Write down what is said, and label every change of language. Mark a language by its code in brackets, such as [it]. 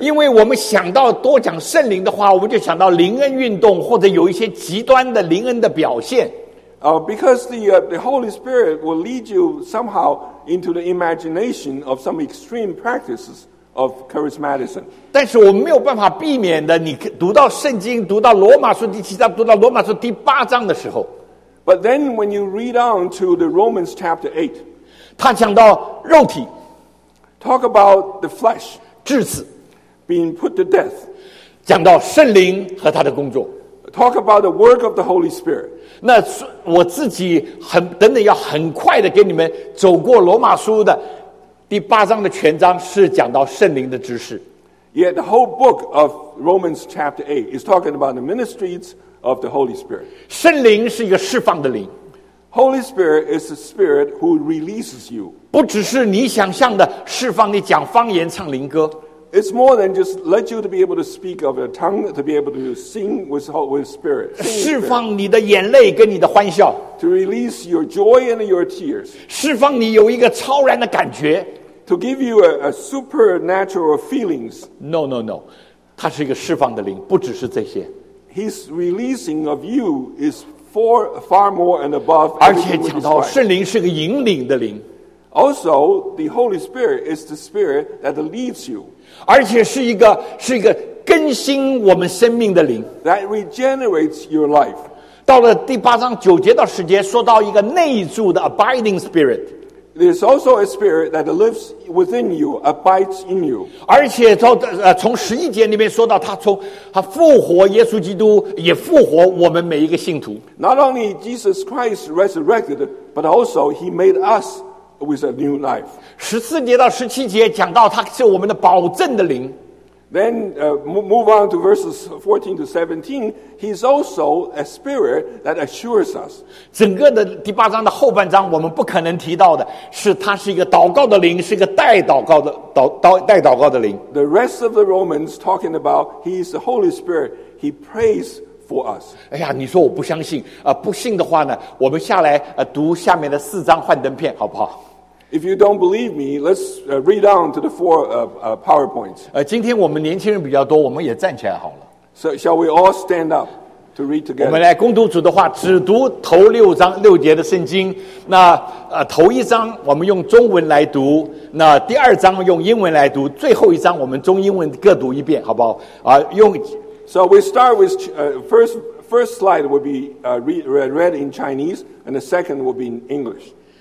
[zh] 因为我们想到多讲圣灵的话，我们就想到灵恩运动，或者有一些极端的灵恩的表现。 [en] Because the Holy Spirit will lead you somehow into the imagination of some extreme practices of charismatism. [zh] 但是我们没有办法避免的，你读到圣经，读到罗马书第七章，读到罗马书第八章的时候。 [en] But then when you read on to the Romans chapter 8, [zh] 他讲到肉体, [en] talk about the flesh, [zh] 致死, [en] being put to death, [zh] 讲到圣灵和他的工作, [en] talk about the work of the Holy Spirit. [zh] 那我自己很等等要很快的给你们走过罗马书的第八章的全章是讲到圣灵的指示。 [en] Yet the whole book of Romans chapter 8 is talking about the ministries of the Holy Spirit. [zh] 圣灵是一个释放的灵。 [en] Holy Spirit is the Spirit who releases you. [zh] 不只是你想象的释放你讲方言唱灵歌。 [en] It's more than just let you to be able to speak of your tongue, to be able to sing with Spirit. [zh] 释放你的眼泪跟你的欢笑。 [en] To release your joy and your tears. [zh] 释放你有一个超然的感觉。 [en] To give you a supernatural feelings. No. [zh] 它是一个释放的灵，不只是这些。 [en] His releasing of you is far more and above. [zh] 而且讲到圣灵是个引领的灵。 [en] Also, the Holy Spirit is the Spirit that leads you. [zh] 而且是一个更新我们生命的灵。 [en] That regenerates your life. [zh] 到了第八章九节到十节，说到一个内住的 [en] abiding Spirit. There's also a Spirit that lives within you, abides in you. [zh] 而且从十一节里面说到他复活耶稣基督，也复活我们每一个信徒。 [en] Not only Jesus Christ resurrected, but also he made us with a new life. [zh] 十四节到十七节讲到他是我们的保证的灵。 [en] Then move on to verses 14 to 17. He's also a spirit that assures us. [zh] 整个的第八章的后半章，我们不可能提到的是，他是一个祷告的灵，是一个带祷告的灵。 [en] The rest of the Romans talking about he is the Holy Spirit. He prays for us. [zh] 哎呀，你说我不相信啊？不信的话呢，我们下来读下面的四章幻灯片，好不好？ [en] If you don't believe me, let's read on to the four PowerPoints. [zh] 今天我们年轻人比较多，我们也站起来好了。 [en] So shall we all stand up to read together? [zh] 我们来共读主的话，只读头六章六节的圣经。那头一章我们用中文来读，那第二章用英文来读，最后一章我们中英文各读一遍，好不好？用。 [en] So we start with first slide will be read in Chinese, and the second will be in English.